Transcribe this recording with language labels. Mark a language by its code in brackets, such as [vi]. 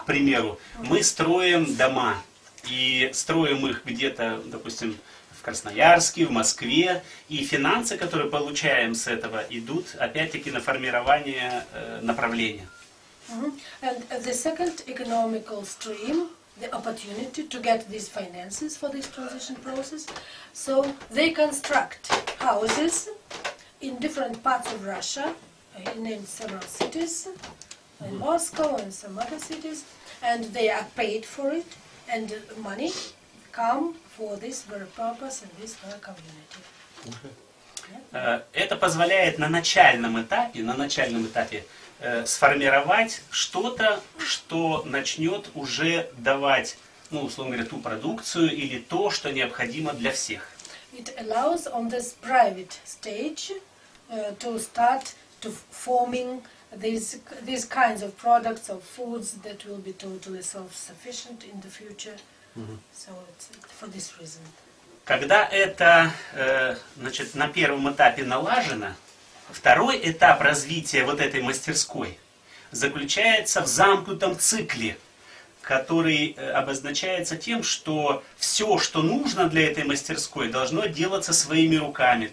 [ru] К примеру, мы строим дома и строим их где-то, допустим, в Красноярске, в Москве, и финансы, которые получаем с этого, идут опять-таки на формирование направления. [en] And the second economical stream, the opportunity to get these finances for this transition process, so they construct houses in different parts of Russia, in several cities, in Moscow and some other cities, and they are paid for it, and money come for this very purpose and this very community. [ru] Это позволяет на начальном этапе сформировать что-то, что начнет уже давать, ну, условно говоря, ту продукцию или то, что необходимо для всех. [en] It allows on this private stage to start to forming these kinds of products of foods that will be totally self-sufficient in the future. So it's for this reason. [ru] Когда это значит, на первом этапе налажено, второй этап развития вот этой мастерской заключается в замкнутом цикле, который обозначается тем, что все, что нужно для этой мастерской, должно делаться своими руками.